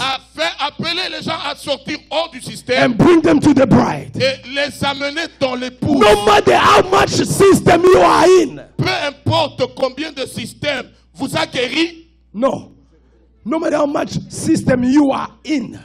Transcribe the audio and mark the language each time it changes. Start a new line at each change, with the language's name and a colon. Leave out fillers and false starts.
French: À faire appeler les gens à sortir hors du système.
English: And bring them to the bride.
French: Et les amener dans l'épouse.
English: No matter how much system you are in.
French: Peu importe combien de systèmes vous a guéri. Non.
English: No matter how much system you are in.